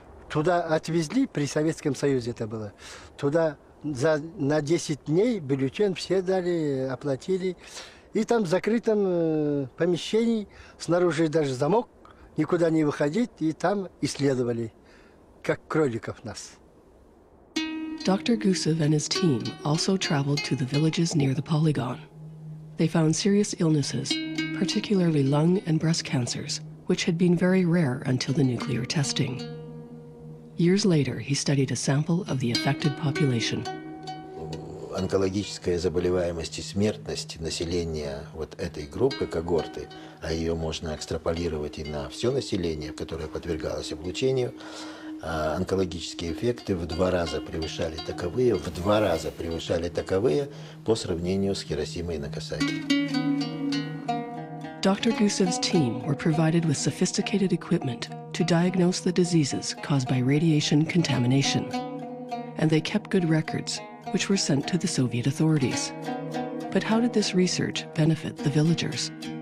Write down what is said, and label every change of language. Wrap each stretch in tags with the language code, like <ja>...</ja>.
<ru>Туда отвезли, при Советском Союзе это было, туда... На 10 дней бюллетень все дали, оплатили. И там в закрытом помещении, снаружи даже замок, никуда не выходить, и там исследовали, как кроликов нас.</ru> <en>Dr. Gusev and his team also traveled to the villages near the polygon. They found serious illnesses, particularly lung and breast cancers, which had been very rare until the nuclear testing. Years later, he studied a sample of the affected population.</en> <ru>Онкологическая заболеваемость и смертность населения вот этой группы, когорты, а ее можно экстраполировать и на все население, которое подвергалось облучению, онкологические эффекты в два раза превышали таковые, по сравнению с Хиросимой и Нагасаки.</ru> <en>Dr. Gusev's team were provided with sophisticated equipment to diagnose the diseases caused by radiation contamination. And they kept good records, which were sent to the Soviet authorities. But how did this research benefit the villagers?</en>